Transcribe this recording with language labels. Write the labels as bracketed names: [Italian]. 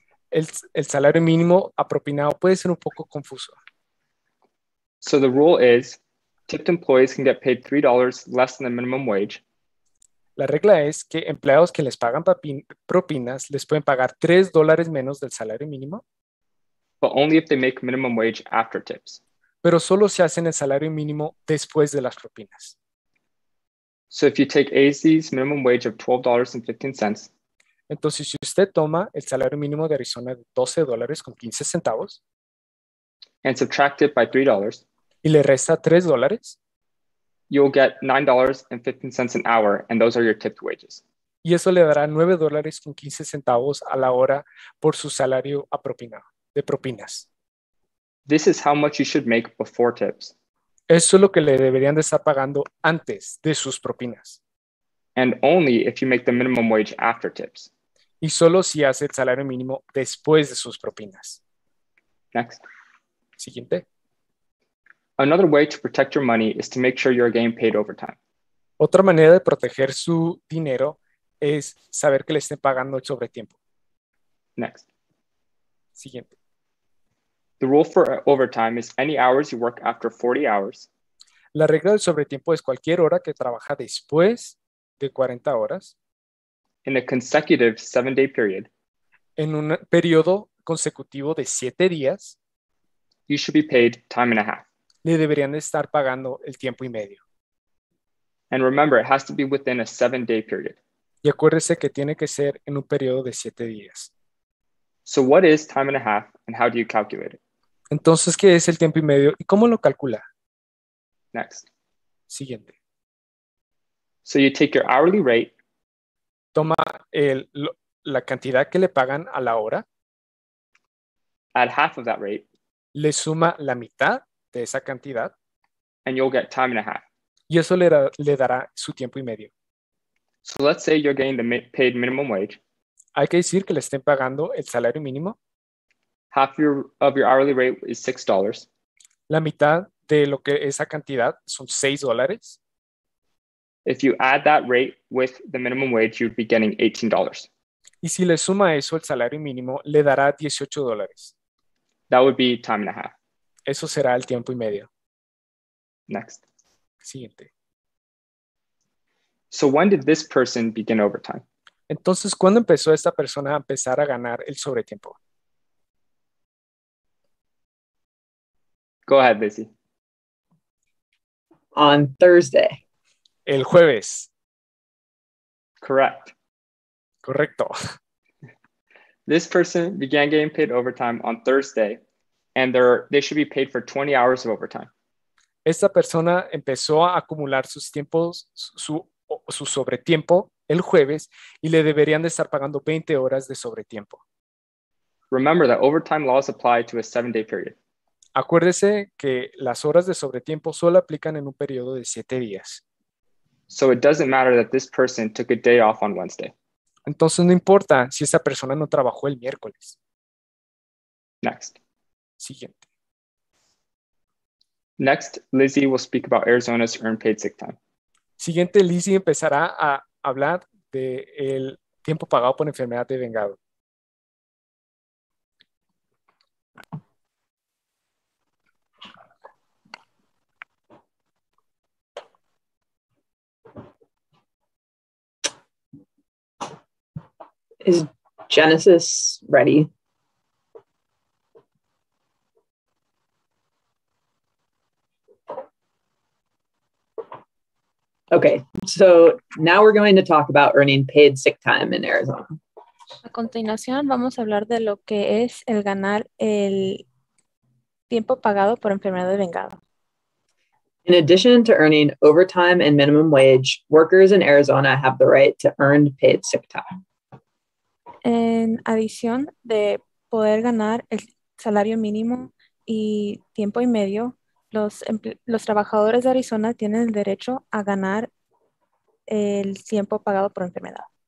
[Spanish] El salario mínimo apropinado puede ser un poco confuso. [English] So the rule is, tipped employees can get paid $3 less than the minimum wage. [Spanish] La regla es que empleados que les pagan propinas les pueden pagar $3 menos del salario mínimo. [English] But only if they make minimum wage after tips. [Spanish] Pero solo si hacen el salario mínimo después de las propinas. [English] So if you take AZ's minimum wage of $12.15. [Spanish] Entonces, si usted toma el salario mínimo de Arizona de $12.15. [English] And subtract it by $3. [Spanish] Y le resta $3. [English] You'll get $9.15 an hour, and those are your tipped wages. [Spanish] Y eso le dará $9.15 a la hora por su salario apropinado, de propinas. [English] This is how much you should make before tips. [Spanish] Eso es lo que le deberían de estar pagando antes de sus propinas. [English] And only if you make the minimum wage after tips. [Spanish] Y solo si hace el salario mínimo después de sus propinas. [English] Next. [Spanish] Siguiente. [English] Another way to protect your money is to make sure you're getting paid overtime. [Spanish] Otra manera de proteger su dinero es saber que le estén pagando el sobretiempo. [English] Next. [Spanish] Siguiente. [English] The rule for overtime is any hours you work after 40 hours. [Spanish] La regla del sobretiempo es cualquier hora que trabaja después de 40 horas. [English] In a consecutive 7-day period. [Spanish] En un periodo consecutivo de 7 días. [English] You should be paid time and a half. [Spanish] Le deberían estar pagando el tiempo y medio. [English] And remember, it has to be within a 7-day period. [Spanish] Y acuérdese que tiene que ser en un periodo de 7 días. [English] So what is time and a half and how do you calculate it? [Spanish] Entonces, ¿qué es el tiempo y medio y cómo lo calcula? [English] Next. [Spanish] Siguiente. [English] So you take your hourly rate. [Spanish] Toma la cantidad que le pagan a la hora. [English] Add half of that rate. [Spanish] Le suma la mitad de esa cantidad. [English] And you'll get time and a half. [Spanish] Y eso le dará su tiempo y medio. [English] So let's say you're getting the paid minimum wage. [Spanish] Hay que decir que le estén pagando el salario mínimo. [English] Half of your hourly rate is $6. [Spanish] La mitad de lo que esa cantidad son $6. [English] If you add that rate with the minimum wage, you'd be getting $18. [Spanish] Y si le suma eso el salario mínimo, le dará $18. [English] That would be time and a half. [Spanish] Eso será el tiempo y medio. [English] Next. [Spanish] Siguiente. [English] So when did this person begin overtime? [Spanish] Entonces, ¿cuándo empezó esta persona a empezar a ganar el sobretiempo? [English] Go ahead, Lizzy. On Thursday. [Spanish] El jueves. [English] Correct. [Spanish] Correcto. [English] This person began getting paid overtime on Thursday, and they should be paid for 20 hours of overtime. [Spanish] Esta persona empezó a acumular sus tiempos, su sobretiempo, el jueves, y le deberían de estar pagando 20 horas de sobretiempo. [English] Remember that overtime laws apply to a 7-day period. [Spanish] Acuérdese que las horas de sobretiempo solo aplican en un periodo de 7 días. [English] So it doesn't matter that this person took a day off on Wednesday. [Spanish] Entonces no importa si esa persona no trabajó el miércoles. [English] Next. [Spanish] Siguiente. [English] Next, Lizzie will speak about Arizona's earned paid sick time. [Spanish] Siguiente, Lizzie empezará a hablar de el tiempo pagado por enfermedad de vengado. [English] Is Genesis ready? Okay, so now we're going to talk about earning paid sick time in Arizona. [Spanish] A continuación, vamos a hablar de lo que es el ganar el tiempo pagado por enfermedad de vengado. [English] In addition to earning overtime and minimum wage, workers in Arizona have the right to earn paid sick time. [Spanish] En adición de poder ganar el salario mínimo y tiempo y medio, los trabajadores de Arizona tienen el derecho a ganar el tiempo pagado por enfermedad.